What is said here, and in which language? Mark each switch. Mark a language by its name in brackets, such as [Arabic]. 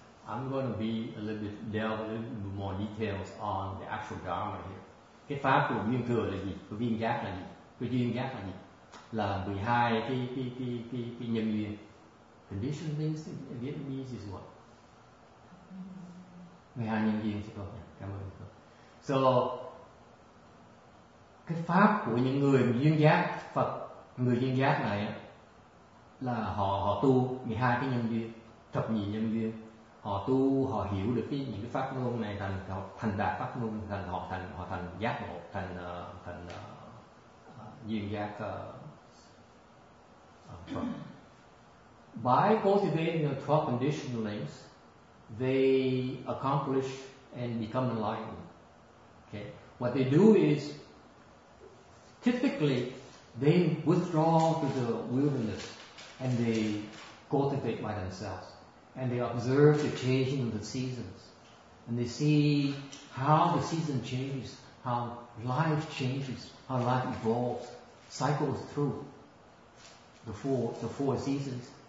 [English] I'm going to be a little bit delve a little bit more details on the actual Dharma here. [Vietnamese] Cái pháp của duyên thừa là gì? Của duyên giác là gì? Của duyên giác là gì? Là 12 cái nhân duyên. [English] Condition things in Vietnamese is what? [Vietnamese] 12 nhân duyên chứ không? Cảm ơn. So, cái pháp của những người duyên giác Phật, người duyên giác này là họ tu 12 cái nhân duyên, thập nhị nhân duyên. Họ tu, họ hiểu được cái những cái pháp ngôn này thành đạt pháp ngôn, thành họ thành giác ngộ, thành duyên giác Phật. [English] By cultivating the 12 conditional links, they accomplish and become enlightened. Okay, what they do is typically they withdraw to the wilderness and they cultivate by themselves and they observe the changing of the seasons and they see how the season changes, how life changes, how life evolves, cycles through the four seasons.